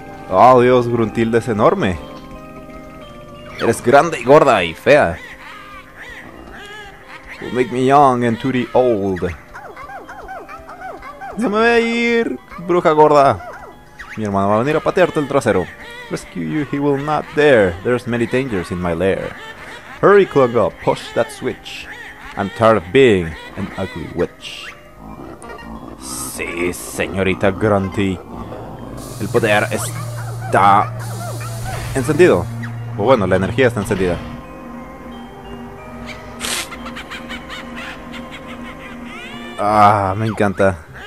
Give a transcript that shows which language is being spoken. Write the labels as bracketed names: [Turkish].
[Spanish] Oh, Dios, Gruntilda es enorme. Eres grande y gorda y fea. [English] You make me young and too old. [Spanish] No me voy a ir, bruja gorda. Mi hermano va a venir a patearte el trasero. [English] Rescue you, he will not dare. There's many dangers in my lair. Hurry, Clunga, push that switch. I'm tired of being an ugly witch. [Spanish] Sí, señorita Grunty. El poder está encendido. O bueno, la energía está encendida. Ah, me encanta.